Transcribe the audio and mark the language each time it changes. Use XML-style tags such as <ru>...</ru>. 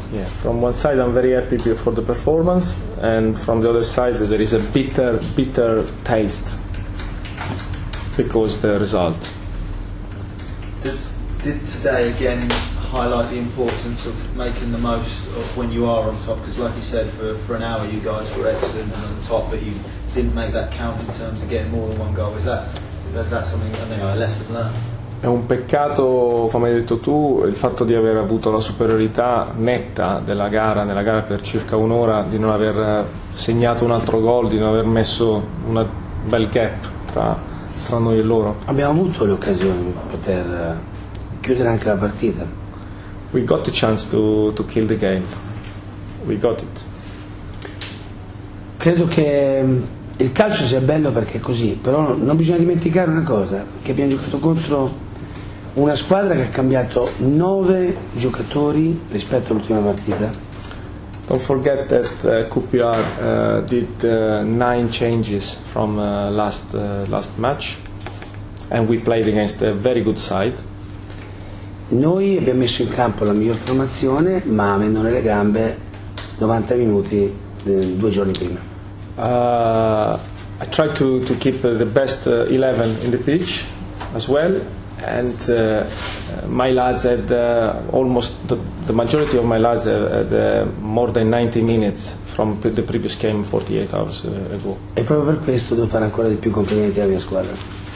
<en>Yeah, from one side I'm very happy for the performance, and from the other side there is a bitter taste because the result. Did today again highlight the importance of making the most of when you are on top? Because, like you said, for an hour you guys were excellent and on the top, but you didn't make that count in terms of getting more than one goal. Is that something? I mean, a lesson learned.</en> <it>È un peccato, come hai detto tu, il fatto di aver avuto la superiorità netta della gara, nella gara per circa un'ora, di non aver segnato un altro gol, di non aver messo un bel gap tra noi e loro. Abbiamo avuto le occasioni per poter chiudere anche la partita.</it> <en>We got the chance to kill the game. We got it.</en> <it>Credo che il calcio sia bello perché è così, però non bisogna dimenticare una cosa, che abbiamo giocato contro una squadra che ha cambiato 9 giocatori rispetto all'ultima partita.</it> <en>Don't forget that QPR did 9 changes from last match, and we played against a very good side.</en> <it>Noi abbiamo messo in campo la miglior formazione, ma avendo nelle gambe 90 minuti due giorni prima.</it> <en>I tried to keep the best 11 in the pitch as well, and my lads had almost the majority of my lads had more than 90 minutes from the previous game 48 hours ago.</en> <it>E proprio per questo devo fare ancora di più complimenti alla mia squadra.</it>